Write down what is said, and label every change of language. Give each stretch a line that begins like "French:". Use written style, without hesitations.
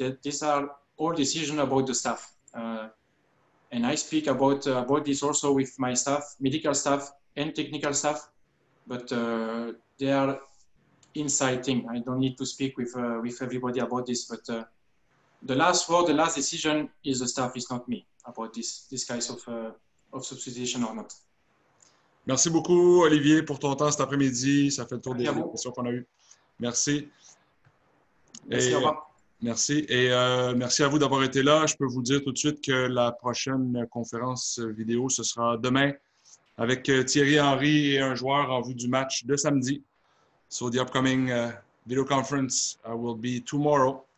English: These are all decisions about the staff. And I speak about this also with my staff, medical staff and technical staff, but they are inside thing. I don't need to speak with everybody about this, but the last word, the last decision is the staff, it's not me. About this case of substitution or not.
French: Merci beaucoup, Olivier, pour ton temps cet après-midi. Ça fait le tour des questions qu'on a eues. Merci. Merci, au revoir. Merci. Et merci à vous d'avoir été là. Je peux vous dire tout de suite que la prochaine conférence vidéo, ce sera demain avec Thierry Henry et un joueur en vue du match de samedi.
English: So the upcoming video conference will be tomorrow.